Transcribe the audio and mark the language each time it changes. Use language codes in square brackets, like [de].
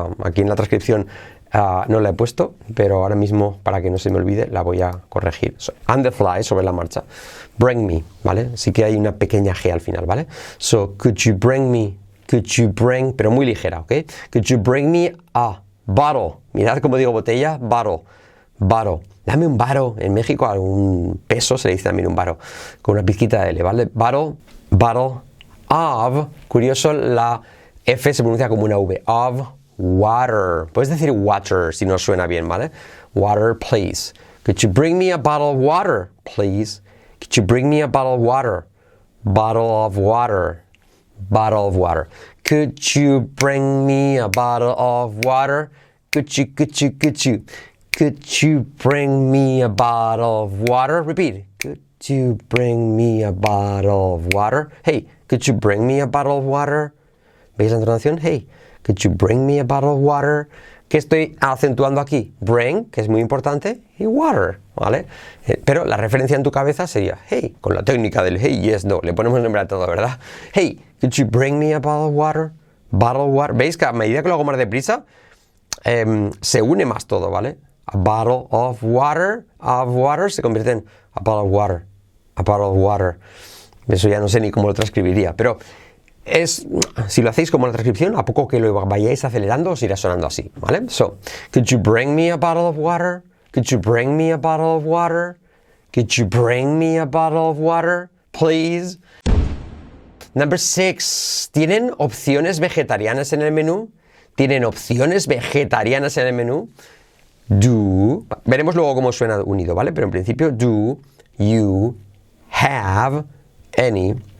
[es] Aquí en la transcripción no la he puesto, pero ahora mismo, para que no se me olvide, la voy a corregir. [en] So, on the fly, [es] sobre la marcha. [en] Bring me, ¿vale? [es] Sí que hay una pequeña G al final, ¿vale? [en] So, could you bring me, could you bring, [es] pero muy ligera, ¿ok? [en] Could you bring me a bottle? [es] Mirad cómo digo botella, bottle. Dame un bottle. En México a un peso se le dice también un bottle. Con una pizquita de L, ¿vale? [en] Bottle of, [es] curioso, la F se pronuncia como una V, [en] of water. [es] Puedes decir water si no suena bien, ¿vale? [en] Water, please. Could you bring me a bottle of water, please? Could you bring me a bottle of water? Bottle of water. Bottle of water. Could you bring me a bottle of water? Could you? Could you bring me a bottle of water? Repeat. Could you bring me a bottle of water? Hey, could you bring me a bottle of water? [es] ¿Veis la entonación? [en] Hey, could you bring me a bottle of water? [es] ¿Qué estoy acentuando aquí? Bring, que es muy importante, y water, ¿vale? Pero la referencia en tu cabeza sería, hey, con la técnica del hey, yes, no, le ponemos nombre a todo, ¿verdad? [en] Hey, could you bring me a bottle of water? Bottle of water. [es] ¿Veis que a medida que lo hago más deprisa, se une más todo, ¿vale? [en] A bottle of water [es] se convierte en [en] a bottle of water, a bottle of water. [es] Eso ya no sé ni cómo lo transcribiría, pero... Es, si lo hacéis como en la transcripción, a poco que lo vayáis acelerando, os irá sonando así, ¿vale? [en] So, could you bring me a bottle of water? Could you bring me a bottle of water? Could you bring me a bottle of water, please? Number six. [es] ¿Tienen opciones vegetarianas en el menú? ¿Tienen opciones vegetarianas en el menú? Do. Veremos luego cómo suena unido, ¿vale? Pero en principio, [en] do you have any...